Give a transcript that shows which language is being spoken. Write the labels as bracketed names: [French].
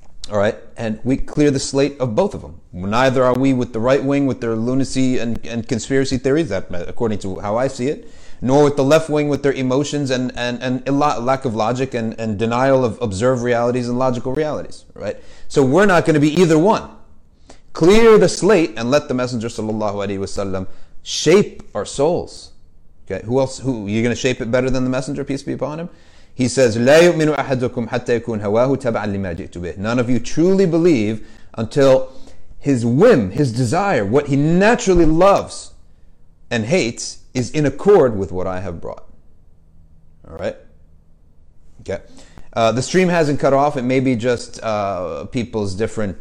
[English] All right, and we clear the slate of both of them. Neither are we with the right wing with their lunacy and conspiracy theories, that according to how I see it, nor with the left wing with their emotions and lack of logic and denial of observed realities and logical realities, right? So we're not going to be either one. Clear the slate and let the Messenger sallallahu alaihi wasallam shape our souls. Okay, who you're going to shape it better than the Messenger, peace be upon him? He says, [Arabic] لا يؤمن أحدكم حتى يكون هواه تبعا لما جئت به. [English] None of you truly believe until his whim, his desire, what he naturally loves and hates is in accord with what I have brought. All right? Okay. The stream hasn't cut off. It may be just people's different...